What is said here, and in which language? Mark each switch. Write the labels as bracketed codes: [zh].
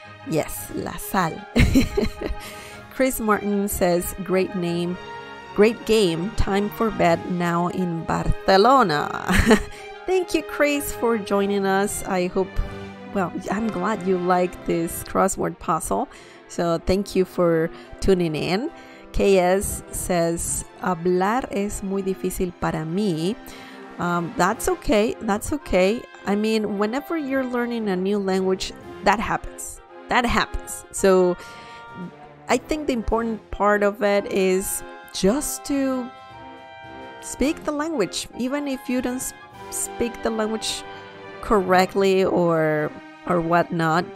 [en] Yes, [es] la sal. [en] Chris Martin says, great name, great game, time for bed now in Barcelona. Thank you, Chris, for joining us. I hope, well, I'm glad you like this crossword puzzle. So thank you for tuning in. KS says, [es] hablar es muy difícil para mí. [en] That's okay, that's okay. I mean, whenever you're learning a new language, that happens. That happens. So I think the important part of it is just to speak the language, even if you don't speak the language correctly or whatnot.